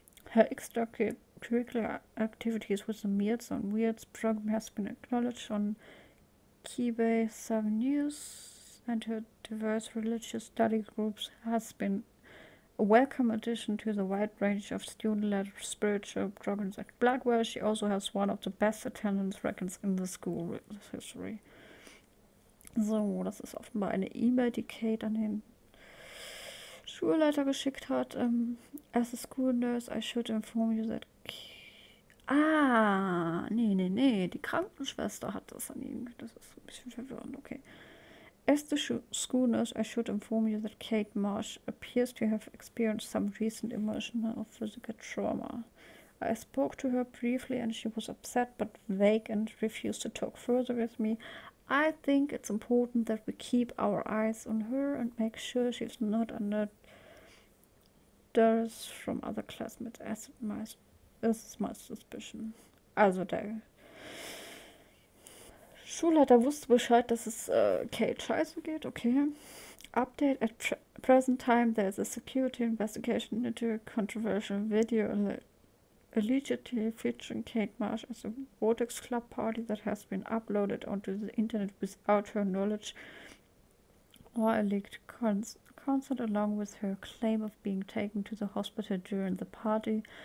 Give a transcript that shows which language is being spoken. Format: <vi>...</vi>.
<en>Her extracurricular activities with the Meals on Wheels program has been acknowledged on Kibay 7 News, and her diverse religious study groups has been a welcome addition to the wide range of student-led spiritual programs at Blackwell. She also has one of the best attendance records in the school history.</en> <de>So, das ist offenbar eine E-Mail, die Kate an den Schulleiter geschickt hat.</de> <en>As a school nurse, I should inform you that... Nee.</en> <de>Die Krankenschwester hat das an ihn. Das ist ein bisschen verwirrend, okay.</de> <en>As the school nurse, I should inform you that Kate Marsh appears to have experienced some recent emotional or physical trauma. I spoke to her briefly and she was upset but vague and refused to talk further with me. I think it's important that we keep our eyes on her and make sure she's not under duress from other classmates, as this is my suspicion.</en> <de>Also, der Schulleiter wusste Bescheid, dass es Kate scheiße geht, okay.</de> <en>Update, at present time there's a security investigation into a controversial video allegedly featuring Kate Marsh as a Vortex Club party that has been uploaded onto the internet without her knowledge or a leaked consent along with her claim of being taken to the hospital during the party.</en>